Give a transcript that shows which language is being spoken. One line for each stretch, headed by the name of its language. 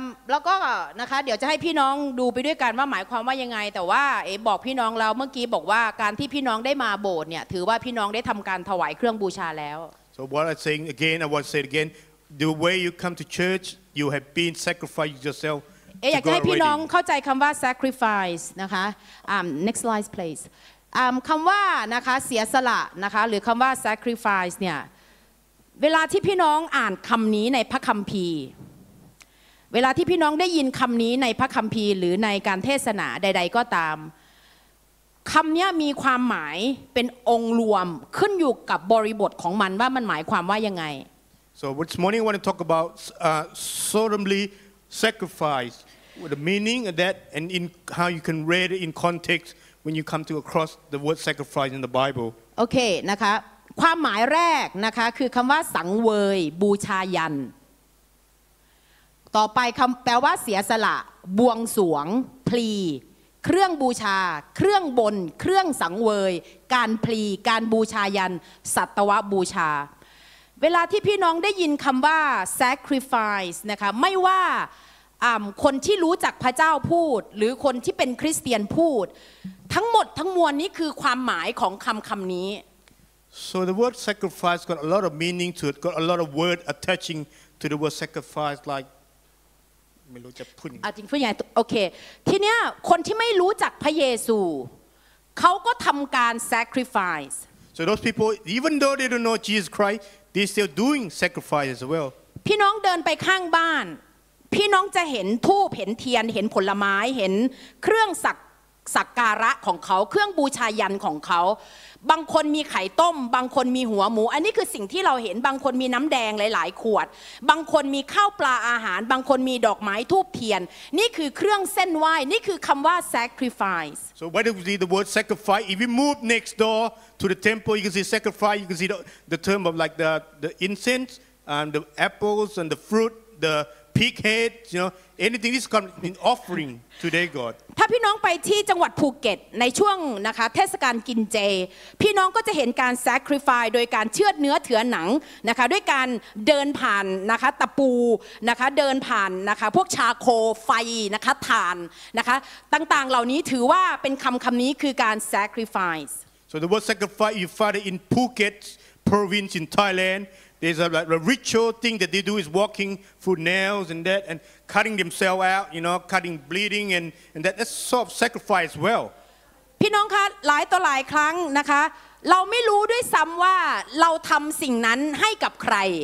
Thai: แล้วก็นะคะเดี๋ยวจะให้พี่น้องดูไปด้วยกันว่าหมายความว่ายังไงแต่ว่าเอ๋บอกพี่น้องเราเมื่อกี้บอกว่าการที่พี่น้องได้มาโบสถ์เนี่ยถือว่าพี่น้องได้ทำการถวายเครื่องบูชาแล้ว
English: So what I'm saying again I want to say it again the way you come to church you have been sacrificing yourself
Thai: เอ๋อยากให้พี่น้องเข้าใจคำว่า sacrifice นะคะ
English: next slide please
Thai: คำว่านะคะเสียสละนะคะหรือคำว่า sacrifice เนี่ยเวลาที่พี่น้องอ่านคำนี้ในพระคัมภีร์เวลาที่พี่น้องได้ยินคำนี้ในพระคัมภีร์หรือในการเทศนาใดๆก็ตามคำนี้มีความหมายเป็นองค์รวมขึ้นอยู่กับบริบทของมันว่ามันหมายความว่ายังไง
English: So this morning I want to talk about solemnly sacrifice the meaning of that and in how you can read it in context when you come to across the word sacrifice in the Bible
Thai: โอเคนะคะความหมายแรกนะคะคือคำว่าสังเวยบูชายัญต่อไปคำแปลว่าเสียสละบวงสรวงพลีเครื่องบูชาเครื่องบนเครื่องสังเวยการพลีการบูชายันสัตวบูชาเวลาที่พี่น้องได้ยินคำว่า sacrifice นะคะไม่ว่า คนที่รู้จักพระเจ้าพูดหรือคนที่เป็นคริสเตียนพูดทั้งหมดทั้งมวลนี้คือความหมายของคำนี้
English: So the word sacrifice got a lot of meaning to it got a lot of word attaching to the word sacrifice like
Thai: ไม่รู้จะพูด จริงพูดยังไงโอเคทีเนี้ยคนที่ไม่รู้จักพระเยซูเขาก็ทำการ sacrifice
English: so those people even though they don't know Jesus Christ they still doing sacrifice as well
Thai: พี่น้องเดินไปข้างบ้านพี่น้องจะเห็นธูปเห็นเทียนเห็นผลไม้เห็นเครื่องสักการะของเขาเครื่องบูชายัญของเขาบางคนมีไข่ต้มบางคนมีหัวหมูอันนี้คือสิ่งที่เราเห็นบางคนมีน้ำแดงหลายๆขวดบางคนมีข้าวปลาอาหารบางคนมีดอกไม้ธูปเทียนนี่คือเครื่องเส้นไหว้นี่คือคำว่า sacrifice
English: so why do we see the word sacrifice if we move next door to the temple you can see sacrifice you can see the term of like the incense and the apples and the fruit the pig head you know anything this come in offering to their god
Thai: ถ้าพี่น้องไปที่จังหวัดภูเก็ตในช่วงนะคะเทศกาลกินเจพี่น้องก็จะเห็นการ sacrifice โดยการเชือดเนื้อเถือหนังนะคะด้วยการเดินผ่านนะคะตะปูนะคะเดินผ่านนะคะพวกชาโคไฟนะคะถ่านนะคะต่างๆเหล่านี้ถือว่าเป็นคำนี้คือการ sacrifice
English: so the word sacrifice you find it in Phuket province in Thailand there's a ritual thing that they do is walking through nails and that andcutting themselves out you know cutting bleeding and that's sort of sacrifice as well
Thai: พี่น้องคะหลายต่อหลายครั้งนะคะเราไม่รู้ด้วยซ้ำว่าเราทำสิ่งนั้นให้กับใคร